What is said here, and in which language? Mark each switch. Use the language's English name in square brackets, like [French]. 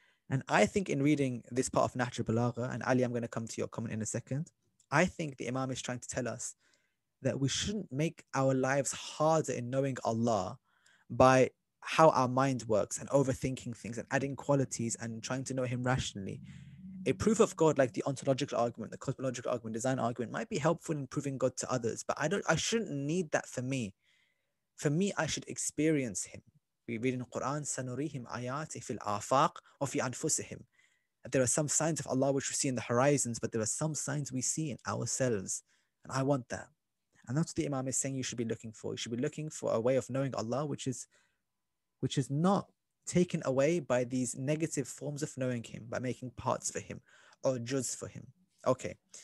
[English] And I think in reading this part of Nahjul Balagha, and Ali, I'm going to come to your comment in a second, I think the Imam is trying to tell us that we shouldn't make our lives harder in knowing Allah by how our mind works and overthinking things and adding qualities and trying to know him rationally. A proof of God, like the ontological argument, the cosmological argument, design argument, might be helpful in proving God to others, but I shouldn't need that for me. For me, I should experience him. We read in the Quran, [Arabic] سَنُرِيهِمْ آيَاتِ فِي الْآفَاقِ وَفِي أَنفُسِهِمْ. [English] There are some signs of Allah which we see in the horizons, but there are some signs we see in ourselves. And I want that. And that's what the Imam is saying you should be looking for. You should be looking for a way of knowing Allah which is not taken away by these negative forms of knowing Him, by making parts for Him or juz for Him. Okay.